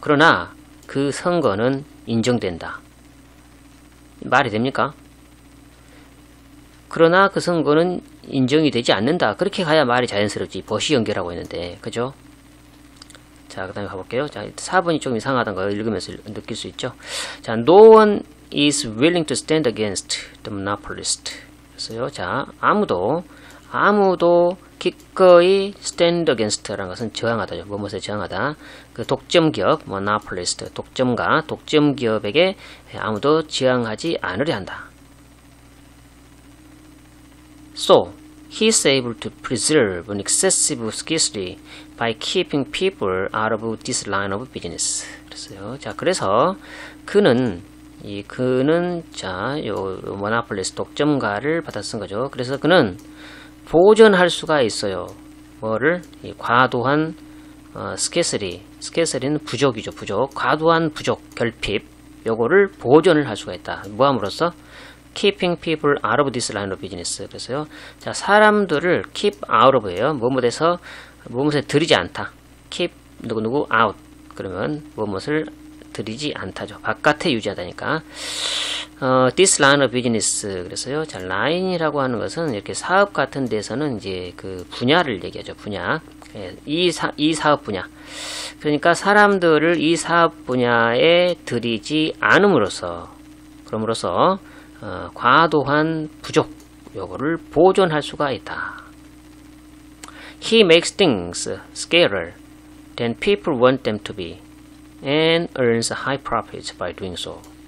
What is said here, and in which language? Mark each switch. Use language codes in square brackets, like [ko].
[ko] 그러나 그 선거는 인정된다. 말이 됩니까? 그러나 그 선거는 인정이 되지 않는다. 그렇게 가야 말이 자연스럽지. but이 연결하고 있는데. 그죠? 자, 그 다음에 가볼게요. 자, 4번이 좀 이상하다는 거 읽으면서 느낄 수 있죠. [en] 자, no one is willing to stand against the monopolist. [ko] 그래서요, 자, 아무도 기꺼이 stand against라는 것은 저항하다죠. 무엇에 저항하다. 그 독점기업, monopolist, 독점가, 독점기업에게 아무도 저항하지 않으려 한다. [en] So, he is able to preserve an excessive scarcity by keeping people out of this line of business. [ko] 그랬어요. 자, 그래서 그는 모나폴리스 독점가를 받아 쓴 거죠. 그래서 그는 보존할 수가 있어요. 뭐를? 이 과도한 scarcity. scarcity는 부족이죠. 부족. 과도한 부족, 결핍. 요거를 보존을 할 수가 있다. 뭐함으로써? [en] keeping people out of this line of business. [ko] 그래서요. 자, 사람들을 keep out of예요. 무엇에서 무엇에 들이지 않다. keep 누구누구 out. 그러면 무엇을 들이지 않다죠. 바깥에 유지하다니까. [en] this line of business. [ko] 그래서요. 자, line이라고 하는 것은 이렇게 사업 같은 데서는 이제 그 분야를 얘기하죠. 분야. 이 사업 분야. 그러니까 사람들을 이 사업 분야에 들이지 않음으로써 그럼으로써 과도한 부족, 요거를 보존할 수가 있다. [en] He makes things scarcer than people want them to be and earns high profits by doing so.